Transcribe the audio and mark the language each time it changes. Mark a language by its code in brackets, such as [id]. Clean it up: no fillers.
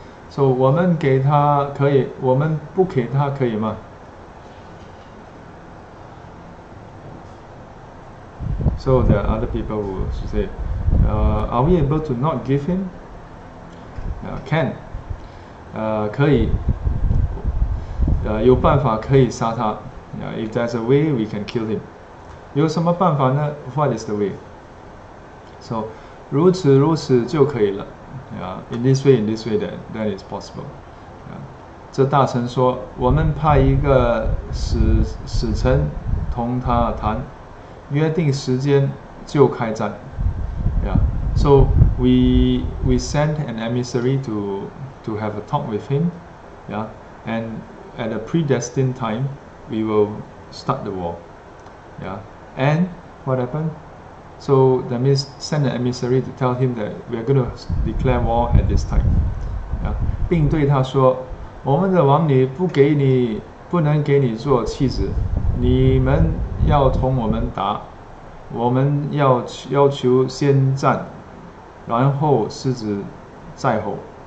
[zh] So, 我们给他可以, 我们不给他可以吗? [en] So, there are other people who say, are we able to not give him? Can. [zh] 可以.有办法可以杀他. [en] If there's a way, we can kill him. [zh] 有什么办法呢? [en] What is the way? So, [zh] 如此如此就可以了. [en] Yeah, in this way, then it's possible. Yeah. [zh] 这大臣说, 我们派一个使臣同他谈, 约定时间就开战. [en] Yeah. So we sent an emissary to have a talk with him. Yeah. And at a predestined time, we will start the war. Yeah. And what happened? So that means send an emissary to tell him that we are going to declare war at this time. Yeah. [zh] 并对他说, 我们的王女不给你, 不能给你做妻子, 你们要同我们打, 我们要求先战, 然后狮子再吼.